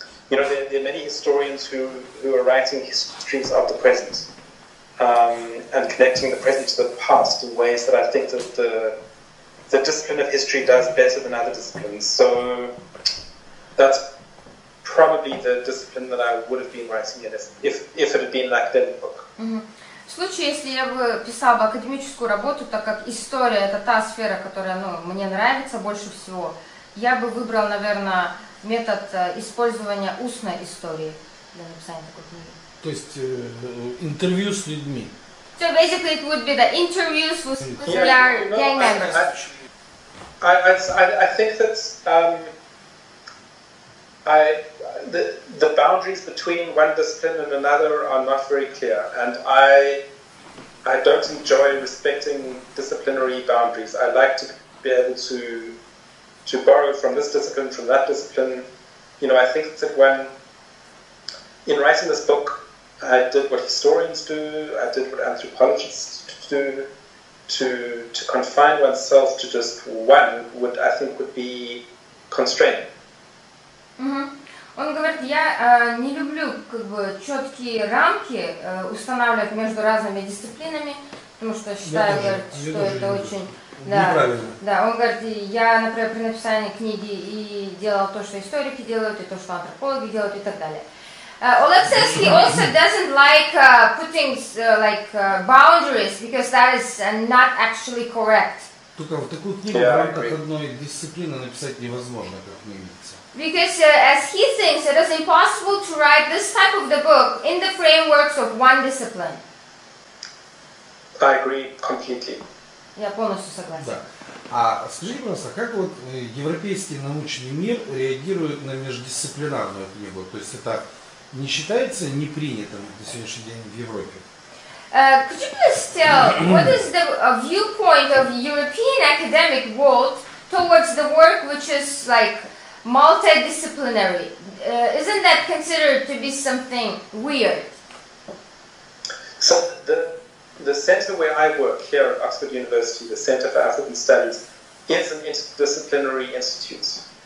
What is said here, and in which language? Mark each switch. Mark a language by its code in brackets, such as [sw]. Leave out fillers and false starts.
[en] You know, there are many historians who are writing histories of the present, and connecting the present to the past in ways that I think that the discipline of history does better than other disciplines. So that's probably the discipline that I would have been writing in if it had been an academic book. Mm-hmm. [ru] В случае, если я бы писала бы академическую работу, так как история — это та сфера, которая мне нравится больше всего, я бы выбрала, наверное, метод использования устной истории для написания такой книги. То есть интервью с людьми. [en] So basically it would be the interviews with their gang members. I think that the boundaries between one discipline and another are not very clear, and I don't enjoy respecting disciplinary boundaries. I like to be able to borrow from this discipline, from that discipline. You know, I think that when in writing this book, I did what historians do, I did what anthropologists do. To confine oneself to just one would, I think, would be constraining. Mm-hmm. [ru] Он говорит, я не люблю как бы четкие рамки устанавливать между разными дисциплинами, потому что считаю, что это очень неправильно. Да, он говорит, я, например, при написании книги и делал то, что историки делают, и то, что антропологи делают, и так далее. [en] Oleg says he also doesn't like putting like boundaries because that is not actually correct. [ru] Только в такую книгу в рамках одной дисциплины написать невозможно, как мне видится. [en] Because as he thinks, it is impossible to write this type of the book in the frameworks of one discipline. I agree completely. [ru] Я полностью согласен. Да. А скажите, пожалуйста, как вот европейский научный мир реагирует на междисциплинарную книгу? То есть это не считается непринятым на сегодняшний день в Европе? [en] Could you please tell what is the viewpoint of European academic world towards the work which is like multidisciplinary? Isn't that considered to be something weird? So the center where I work here at Oxford University, the Center for African Studies, is an interdisciplinary institute.